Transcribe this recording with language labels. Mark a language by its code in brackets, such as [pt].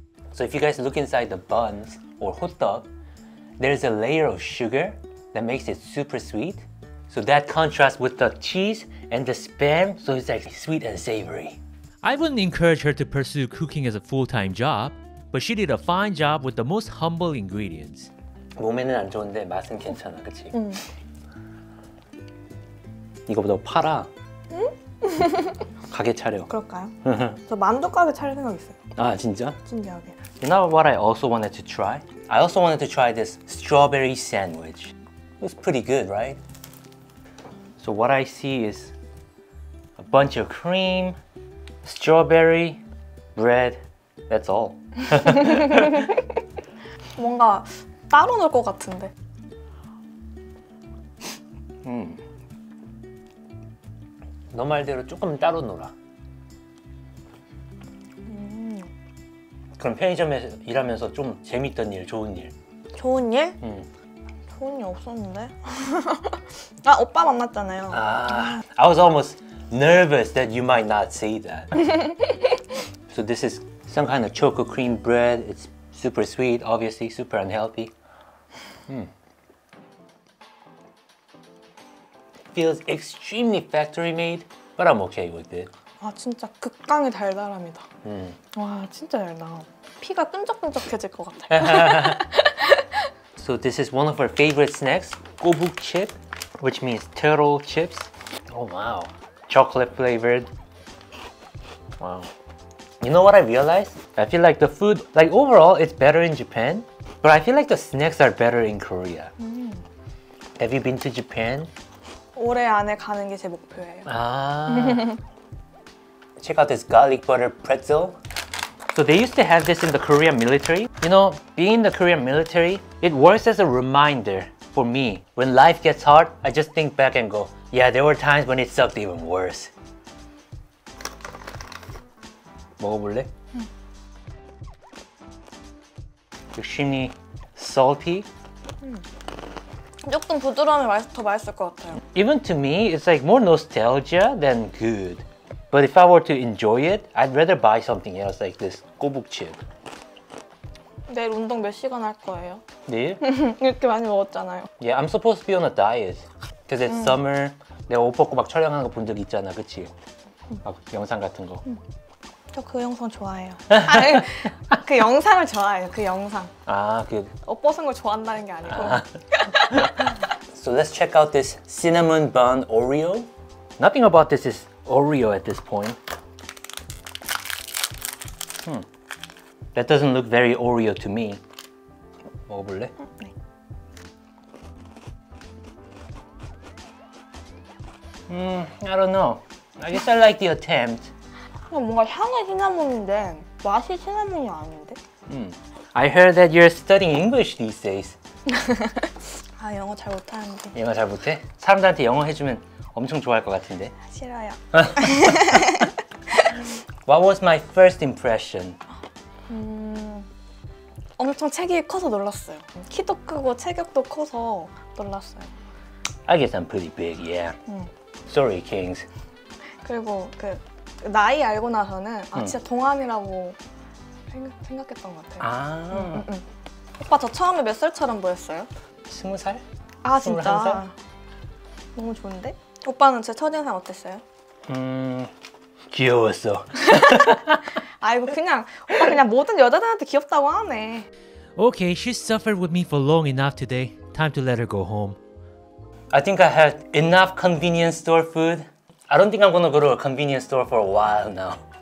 [en] So if you guys look inside the buns or hot dog, there's a layer of sugar that makes it super sweet. So that contrasts with the cheese and the spam, so it's like sweet and savory. I wouldn't encourage her to pursue cooking as a full-time job, but she did a fine job with the most humble ingredients. [ko] 몸에는 안 좋은데 맛은 괜찮아, 그치? 응. 이거 너 팔아. 응? 가게 차려. 그럴까요? 저 만두 가게 차릴 생각 있어요. 아, 진짜? 신기하게. [en] You know what I also wanted to try? I also wanted to try this strawberry sandwich. It was pretty good, right? So what I see is a bunch of cream, strawberry, bread, that's all. [ko] 뭔가 따로 넣을 것 같은데. 너 말대로 조금 따로 놀아. 그럼 편의점에서 일하면서 좀 재밌던 일, 좋은 일. 좋은 일? 좋은 일 없었는데. 아, 오빠 만났잖아요. [en] 아, I was almost nervous that you might not say that. So this is some kind of choco cream bread. It's super sweet, obviously, super unhealthy. Feels extremely factory made, but I'm okay with it. [ko] 아 진짜 극강의 달달함이다. 와 진짜 달다. 피가 끈적끈적해질 것 같아. [en] So this is one of our favorite snacks, gobuk chip, which means turtle chips. Oh wow. Chocolate flavored. Wow. You know what I realized? I feel like the food, like overall, it's better in Japan, but I feel like the snacks are better in Korea. Have you been to Japan? [ko] 올해 안에 가는 게 제 목표예요. [en] 아. Check out this garlic butter pretzel. So they used to have this in the Korean military. You know, being in the Korean military, it works as a reminder for me. When life gets hard, I just think back and go, yeah, there were times when it sucked even worse. [ko] 먹어볼래? 응. 역시 [en] salty. [ko] 조금 부드러우면 더 맛있을 것 같아요. [en] Even to me, it's like more nostalgia than good. But if I were to enjoy it, I'd rather buy something else like this 꼬북 chip. [ko] 내일 운동 몇 시간 할 거예요? 내일? 이렇게 많이 먹었잖아요. [en] Yeah, I'm supposed to be on a diet. Because it's summer. [ko] 내가 옷 벗고 막 촬영하는 거 본 적 있잖아, 그치? 막 영상 같은 거. 저 그 영상 좋아해요. 아, 그 영상을 좋아해요, 그 영상. 아, 그... 옷 벗은 걸 좋아한다는 게 아니고. 아. [en] So let's check out this cinnamon bun Oreo. Nothing about this is Oreo at this point. That doesn't look very Oreo to me. [ko] 먹어볼래? 네. [en] 음, I don't know. I guess I like the attempt. [ko] 뭔가 향은 시나몬인데 맛이 시나몬이 아닌데? [en] I heard that you're studying English these days. [ko] 아, 영어 잘 못하는데. 영어 잘 못해? 사람들한테 영어 해주면 엄청 좋아할 것 같은데. 싫어요. [en] What was my first impression? [ko] 엄청 체격이 커서 놀랐어요. 키도 크고 체격도 커서 놀랐어요. [en] I guess I'm pretty big, yeah. Sorry, Kings. [ko] 그리고 그 나이 알고 나서는 아 진짜 동안이라고 생각했던 것 같아요. 아. 오빠 저 처음에 몇 살처럼 보였어요? 스무 살? 아 진짜? 너무 좋은데? 오빠는 제 첫인상 어땠어요? 귀여웠어. 아이고 그냥 오빠 그냥 모든 여자들한테 귀엽다고 하네. [en] Okay, she suffered with me for long enough today. Time to let her go home. I think I had enough convenience store food. I don't think I'm gonna go to a convenience store for a while now.